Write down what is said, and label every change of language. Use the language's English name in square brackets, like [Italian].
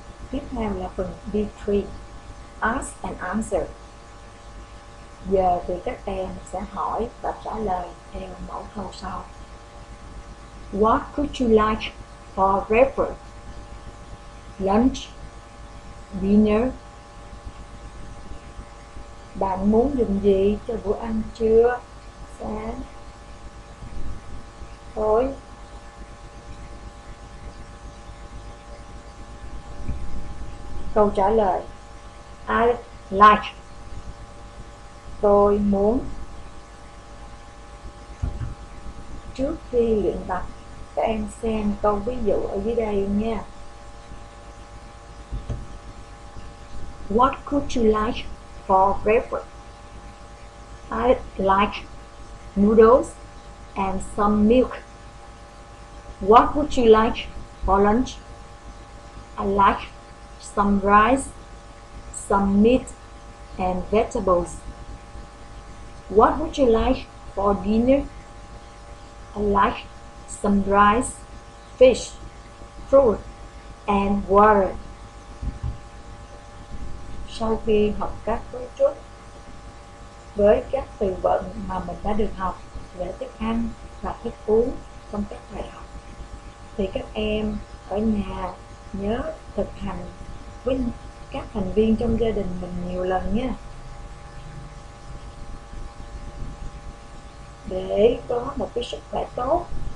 [Vietnamese] Tiếp theo là phần B3. [English] Ask and answer. [Vietnamese] Giờ thì các em sẽ hỏi và trả lời theo mẫu câu sau. [English] What could you like for breakfast, lunch, dinner? [Vietnamese] Bạn muốn dùng gì cho bữa ăn trưa, sáng, tối? Câu trả lời: [English] I like. [Vietnamese] Tôi muốn. Trước khi luyện tập, các em xem câu ví dụ ở dưới đây nha. [English] What could you like for breakfast? I'd like noodles and some milk. What would you like for lunch? I'd like some rice, some meat and vegetables. What would you like for dinner? I'd like some rice, fish, fruit, and water. [Vietnamese] Sau khi học các cấu trúc với các từ vựng mà mình đã được học về thức ăn và thức uống trong các bài học, thì các em ở nhà nhớ thực hành với các thành viên trong gia đình mình nhiều lần nhé, để có một cái sức khỏe tốt.